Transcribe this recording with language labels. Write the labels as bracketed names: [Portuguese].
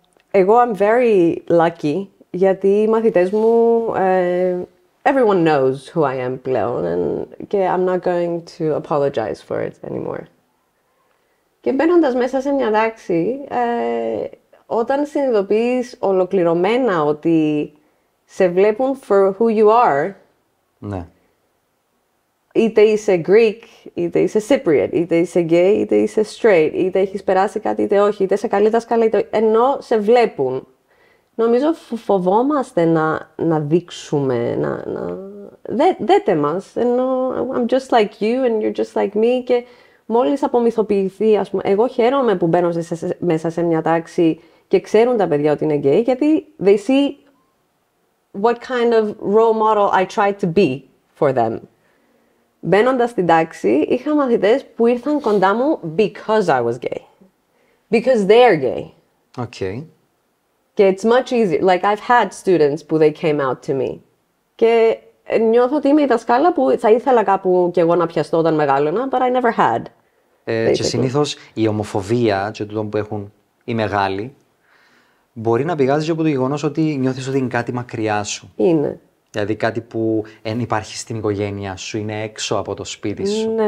[Greek] Εγώ [English] I'm very lucky [Greek] γιατί οι μαθητές μου... [English] Everyone knows who I am, [Greek] πλέον, [English] and okay, I'm not going to apologize for it anymore. [Greek] Και μπαίνοντας μέσα σε μια τάξη, όταν συνειδητοποιείς ολοκληρωμένα ότι σε βλέπουν [English] for who you are, [Greek] ναι. Είτε είσαι Greek, είτε είσαι Cypriot, είτε είσαι gay, είτε είσαι straight, είτε έχεις περάσει κάτι, είτε όχι, είτε σε καλή δασκάλα, είτε... ενώ σε βλέπουν. Νομίζω φοβόμαστε να δείξουμε, να... Δέτε μας, ενώ [English] I'm just like you and you're just like me. [Greek] Και μόλις απομυθοποιηθεί, ας πούμε, εγώ χαίρομαι που μπαίνω μέσα σε μια τάξη και ξέρουν τα παιδιά ότι είναι gay, γιατί [English] they see what kind of role model I try to be for them. [Greek] Μπαίνοντας στην τάξη, είχα μαθητές που ήρθαν κοντά μου [English] because I was gay. Because they are gay. Okay. [Greek] Και [English] it's much easier. Like, I've had students [Greek] που [English] they came out to me. [Greek] Και νιώθω ότι είμαι η δασκάλα που θα ήθελα κάπου κι εγώ να πιαστώ όταν μεγάλωνα, [English] but I never had. [Greek] Και συνήθως η ομοφοβία και τούτο που έχουν οι μεγάλοι μπορεί να πηγάζει και από το γεγονός ότι νιώθεις ότι είναι κάτι μακριά σου. Είναι. Δηλαδή κάτι που δεν υπάρχει στην οικογένειά σου, είναι έξω από το σπίτι σου.